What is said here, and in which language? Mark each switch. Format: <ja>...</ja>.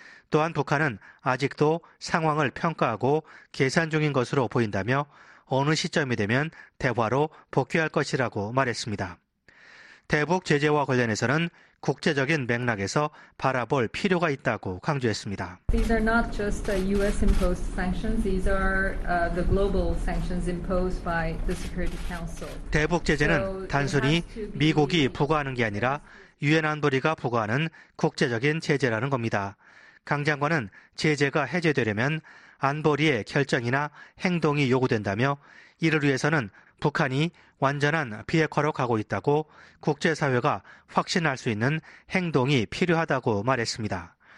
<ko>또한 북한은 아직도 상황을 평가하고 계산 중인 것으로 보인다며 어느 시점이 되면 대화로 복귀할 것이라고 말했습니다. 대북 제재와 관련해서는 국제적인 맥락에서 바라볼 필요가 있다고 강조했습니다.</ko> <en>These are not just the US imposed sanctions. These are the global sanctions imposed by the Security Council.</en> <ko>대북 제재는 단순히 미국이 부과하는 게 아니라 유엔 안보리가 부과하는 국제적인 제재라는 겁니다. 강 장관은 제재가 해제되려면 안보리의 결정이나 행동이 요구된다며 이를 위해서는 북한이 완전한 비핵화로 가고 있다고 국제사회가 확신할 수 있는 행동이 필요하다고 말했습니다.</ko>